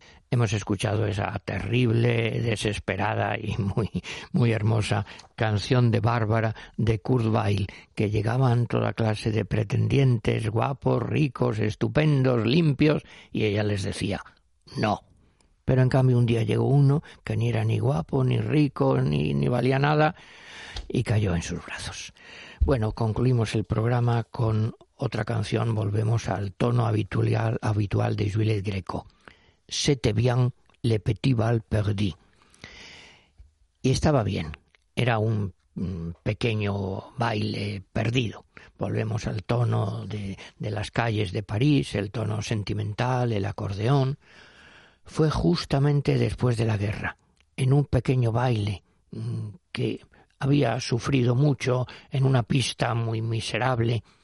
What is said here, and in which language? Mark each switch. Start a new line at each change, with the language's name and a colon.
Spanish: Hemos escuchado esa terrible, desesperada y muy, muy hermosa canción de Bárbara de Kurt Weill, que llegaban toda clase de pretendientes, guapos, ricos, estupendos, limpios, y ella les decía, no. Pero en cambio un día llegó uno que ni era ni guapo, ni rico, ni valía nada, y cayó en sus brazos. Bueno, concluimos el programa con otra canción, volvemos al tono habitual de Juliet Greco.
French: C'était bien, le petit bal perdu.
Spanish: Y estaba bien, era un pequeño baile perdido. Volvemos al tono de las calles de París, el tono sentimental, el acordeón. Fue justamente después de la guerra, en un pequeño baile que había sufrido mucho en una pista muy miserable.